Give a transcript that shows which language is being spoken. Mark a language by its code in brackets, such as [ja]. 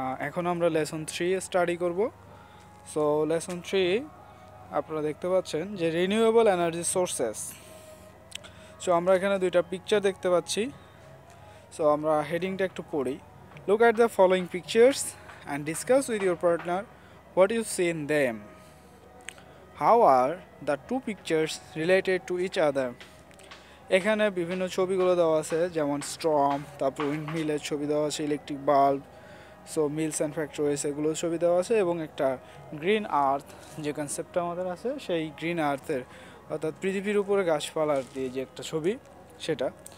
[bn] এখন আমরা lesson 3 study করব। সো লেসন 3 আপনারা দেখতে পাচ্ছেন যে রিনিউয়েবল এনার্জি সোর্সেস। সো আমরা এখানে দুইটা পিকচার দেখতে পাচ্ছি। সো আমরা হেডিংটা একটু পড়ি। [en] Look at the following pictures and discuss with your partner what you see in them. How are the two pictures related to each other? [bn] এখানে বিভিন্ন ছবিগুলো দেওয়া আছে, যেমন স্টর্ম, তারপর উইন্ডমিলের ছবি দেওয়া আছে, electric bulb, so mills and factories এগুলোর ছবি দেওয়া আছে, এবং একটা গ্রিন আর্থ যে কনসেপ্টটা আমাদের আছে সেই গ্রিন আর্থের, অর্থাৎ পৃথিবীর উপরে গাছপালা দিয়ে যে একটা ছবি সেটা।